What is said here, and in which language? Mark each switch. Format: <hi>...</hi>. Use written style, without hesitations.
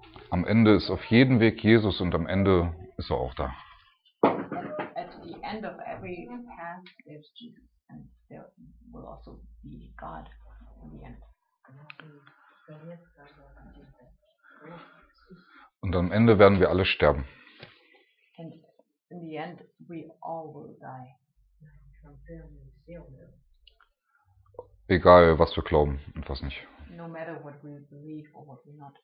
<de>Am Ende ist auf jedem Weg Jesus und am Ende ist er auch da.</de> <en>At the end of every path there's Jesus and there will also be God in the end.</en> <de>Und am Ende werden wir alle sterben.</de> <en>And in the end we all will die.</en> <de>Egal was wir glauben und was nicht.</de> <en>No matter what we believe or what we not</en>